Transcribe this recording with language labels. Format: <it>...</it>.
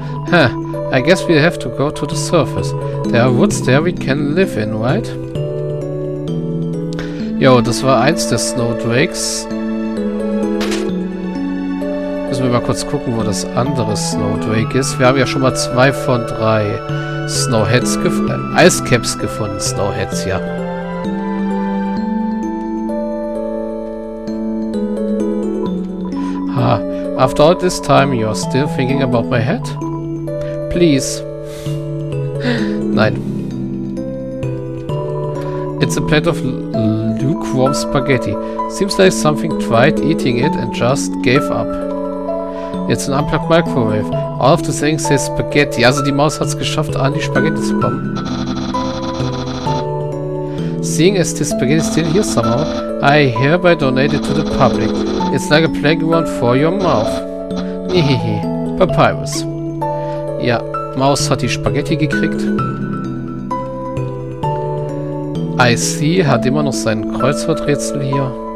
<en>Huh, I guess we have to go to the surface. There are woods there we can live in, right?</en> <de>Jo, das war eins der Snowdrakes. Müssen wir mal kurz gucken, wo das andere Snowdrake ist. Wir haben ja schon mal 2 von 3 Snowheads gefunden. Icecaps gefunden, Snowheads, ja.</de> <en>Ha, after all this time, you're still thinking about my head? Please.</en> <de>Nein.</de> <en>It's a plate of lukewarm spaghetti. Seems like something tried eating it and just gave up. It's an unplugged microwave. All of the things say spaghetti.</en> <de>Also die Maus hat es geschafft, an die Spaghetti zu kommen.</de> <en>Seeing as this spaghetti is still here somehow, I hereby donate it to the public. It's like a playground for your mouth. Nihihi. Papyrus.</en> <de>Ja, Maus hat die Spaghetti gekriegt. IC hat immer noch sein Kreuzworträtsel hier.</de>